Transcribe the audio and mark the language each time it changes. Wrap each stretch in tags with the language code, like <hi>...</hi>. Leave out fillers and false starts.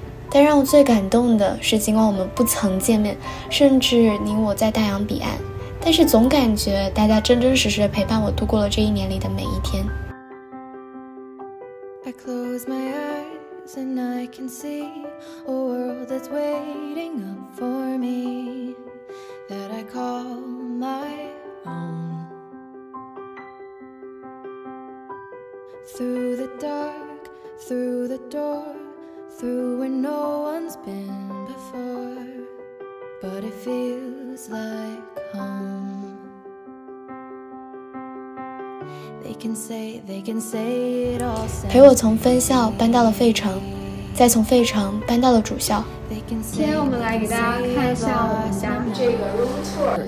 <zh>但让我最感动的是，尽管我们不曾见面，甚至你我在大洋彼岸，但是总感觉大家真真实实的陪伴我度过了这一年里的每一天。</zh> <en>I close my eyes and I can see a world that's waiting up for me that I call my own. Through the dark, through the door. Through where no one's been before, but it feels like home. They can say it all.</en> <zh>陪我从分校搬到了费城，再从费城搬到了主校。今天我们来给大家看一下我们这个</zh> <en>room tour，</en>